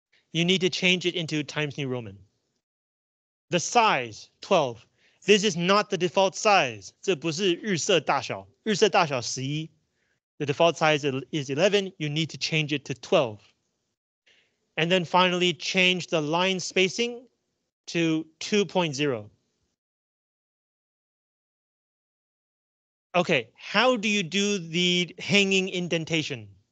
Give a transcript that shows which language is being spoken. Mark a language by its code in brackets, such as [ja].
[en] You need to change it into Times New Roman. The size, 12. This is not the default size. [zh] 这不是预设大小，预设大小11. [en] The default size is 11. You need to change it to 12. And then finally, change the line spacing to 2.0. Okay, how do you do the hanging indentation?